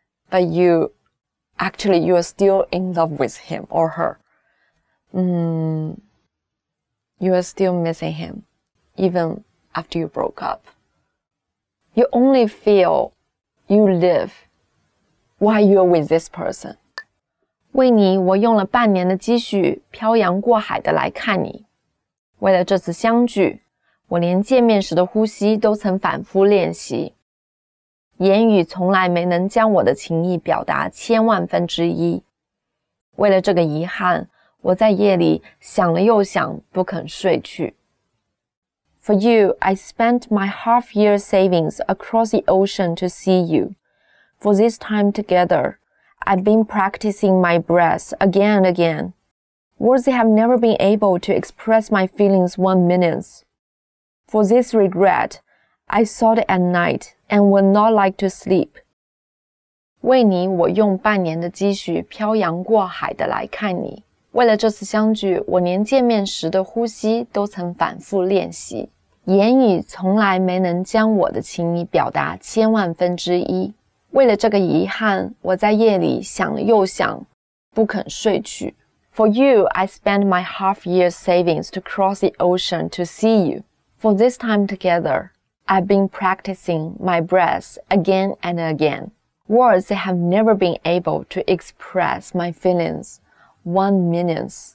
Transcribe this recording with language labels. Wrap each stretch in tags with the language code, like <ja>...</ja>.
<en>But you are still in love with him or her. You are still missing him, even after you broke up. You only feel you live why you're with this person.</en> <zh>为你，我用了半年的积蓄，漂洋过海的来看你。为了这次相聚，我连见面时的呼吸都曾反复练习。言语从来没能将我的情意表达千万分之一。为了这个遗憾，我在夜里想了又想，不肯睡去。</zh> <en>For you, I spent my half-year savings across the ocean to see you. For this time together, I've been practicing my breath again and again. Words have never been able to express my feelings 1 minute. For this regret, I thought at night and would not like to sleep.</en> <zh>为你，我用半年的积蓄漂洋过海的来看你。为了这次相聚，我连见面时的呼吸都曾反复练习。言语从来没能将我的情意表达千万分之一。为了这个遗憾，我在夜里想了又想，不肯睡去。</zh> <en>For you, I spent my half-year savings to cross the ocean to see you. For this time together, I've been practicing my breath again and again. Words have never been able to express my feelings 1 minute.</en>